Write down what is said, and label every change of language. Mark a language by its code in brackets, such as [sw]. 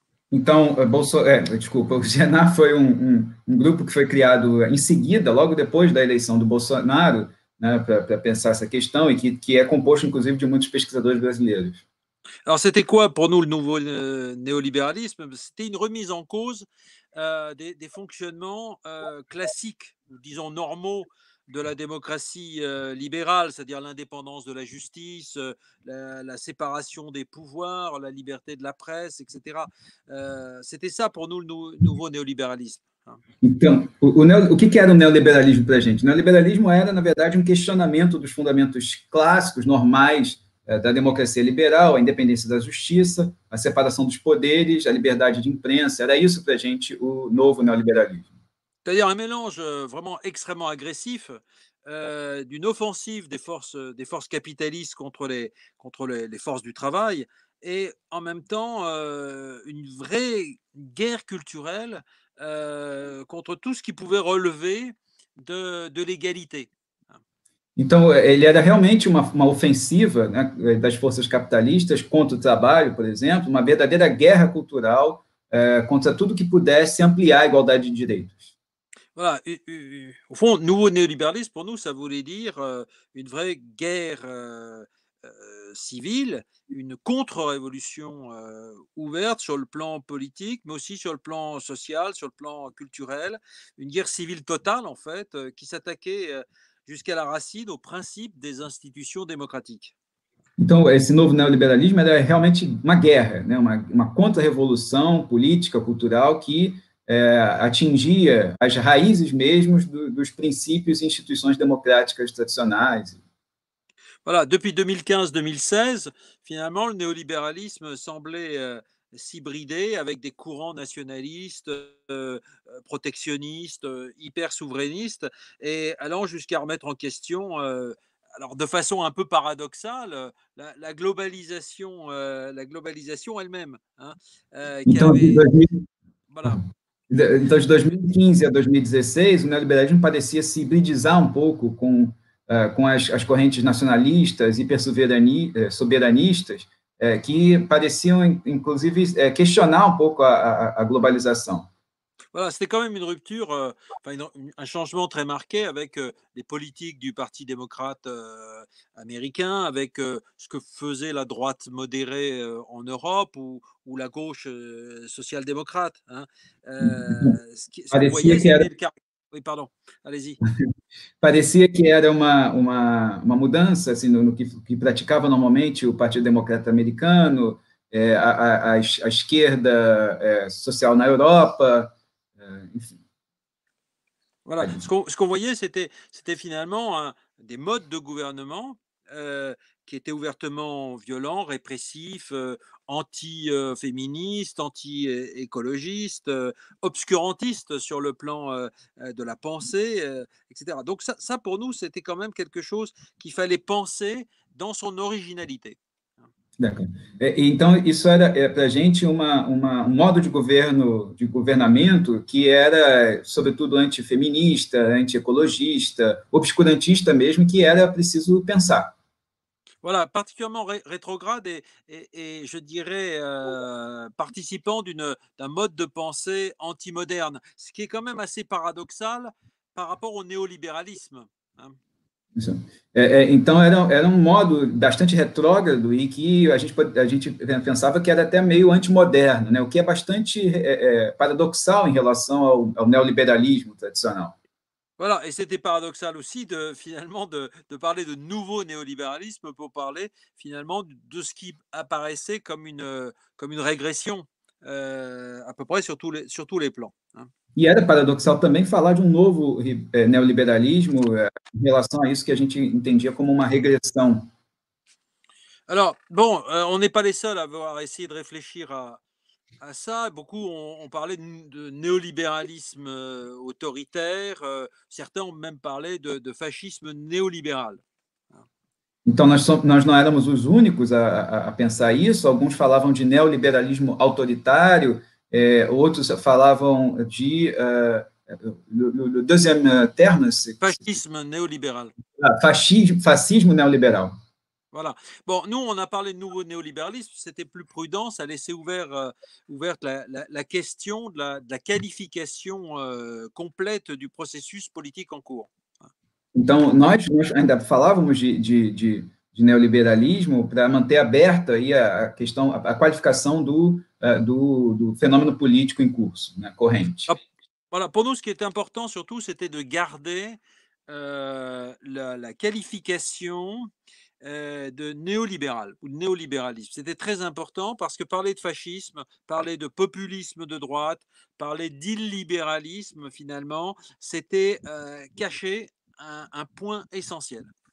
[pt] Então, desculpa, o GENA foi um grupo que foi criado em seguida, logo depois da eleição do Bolsonaro, né, para pensar essa questão, e que é composto, inclusive, de muitos pesquisadores brasileiros. [fr] Alors, c'était quoi pour nous le nouveau néolibéralisme? C'était une remise en cause des fonctionnements classiques, disons normaux, de la démocratie libérale, c'est-à-dire l'indépendance de la justice, la séparation des pouvoirs, la liberté de la presse, etc. C'était ça pour nous le nouveau néolibéralisme. [pt] Então, o que era o neoliberalismo para a gente? O neoliberalismo era, na verdade, um questionamento dos fundamentos clássicos, normais, da democracia liberal, a independência da justiça, a separação dos poderes, a liberdade de imprensa. Era isso para a gente o novo neoliberalismo. [fr] C'est-à-dire un mélange vraiment extrêmement agressif d'une offensive des forces capitalistes contre les forces du travail et en même temps une vraie guerre culturelle contre tout ce qui pouvait relever de l'égalité. [pt] Então, ele era realmente uma ofensiva, né, das forças capitalistas contra o trabalho, por exemplo, uma verdadeira guerra cultural, contra tudo que pudesse ampliar a igualdade de direitos. [fr] Voilà, au fond, nouveau néolibéralisme, pour nous, ça voulait dire une vraie guerre civile, une contre-révolution ouverte sur le plan politique, mais aussi sur le plan social, sur le plan culturel, une guerre civile totale, en fait, qui s'attaquait jusqu'à la racine aux principes des institutions démocratiques. [pt] Então, esse novo neoliberalismo era realmente uma guerra, né? Uma contra-revolução política, cultural, que atingia as raízes mesmo dos princípios e instituições democráticas tradicionais. [fr] Voilà, depuis 2015-2016, finalement, le néolibéralisme semblait s'hybrider avec des courants nationalistes, protectionnistes, hyper souverainistes, et allant jusqu'à remettre en question, alors de façon un peu paradoxale, la globalisation elle-même, hein, qui [pt] Então, [fr] avait. Voilà. [pt] de 2015 a 2016, o neoliberalismo parecia se hibridizar um pouco com as correntes nacionalistas, soberanistas, que pareciam, inclusive, questionar um pouco a globalização. [fr] Voilà, c'était quand même une rupture, un changement très marqué avec les politiques du Parti démocrate américain, avec ce que faisait la droite modérée en Europe ou la gauche social-démocrate. Hein. Ce qu'on [pt] Parecia que [fr] voyait, [pt] era [fr] c'était le caractère. Oui, pardon. Allez-y. [pt] Parecia que era uma mudança assim, no que praticava normalmente o Partido Democrata Americano, a esquerda social na Europa, enfim. [fr] Voilà. Ce qu'on voyait, c'était finalement des modes de gouvernement qui étaient ouvertement violents, répressifs, anti-féministes, anti-écologistes, obscurantistes sur le plan de la pensée, etc. Donc ça, pour nous, c'était quand même quelque chose qu'il fallait penser dans son originalité. D'accord. [pt] Então, isso era para a gente um modo de governo, de governamento, que era, sobretudo, antifeminista, antiecologista, obscurantista mesmo, que era preciso pensar. [fr] Voilà, particulièrement rétrograde et je dirais participant d'un mode de pensée anti-moderne, ce qui est quand même assez paradoxal par rapport au néolibéralisme. Hein. [pt] Então, era um modo bastante retrógrado e que a gente pensava que era até meio antimoderno, né? O que é bastante paradoxal em relação ao neoliberalismo tradicional. [fr] Voilà, et c'était paradoxal aussi de finalement parler de nouveau néolibéralisme pour parler finalement de ce qui apparaissait comme une régression à peu près sur tous les plans. [pt] E era paradoxal também falar de um novo neoliberalismo em relação a isso que a gente entendia como uma regressão. [fr] Alors, bon, on n'est pas les seuls à avoir essayé de réfléchir à ça. Beaucoup ont parlé de néolibéralisme autoritaire. Certains ont même parlé de fascisme néolibéral. [pt] Então, nós não éramos os únicos a pensar isso. Alguns falavam de neoliberalismo autoritário. Outros falavam de [fr] le deuxième terme, fascisme néolibéral. [pt] Fascismo neoliberal. [fr] Voilà. Bon, nous, on a parlé de nouveau néolibéralisme. C'était plus prudent. Ça laissait ouverte la question de la qualification complète du processus politique en cours. [pt] Então, nós ainda falávamos de neoliberalismo para manter aberta aí a questão, a qualificação do fenômeno político em curso, né, corrente. [fr] Voilà, pour nous, ce qui était important, surtout, c'était de garder la qualification de néolibéral ou de néolibéralisme. C'était très important parce que parler de fascisme, parler de populisme de droite, parler d'illibéralisme, finalement, c'était cacher un point essentiel.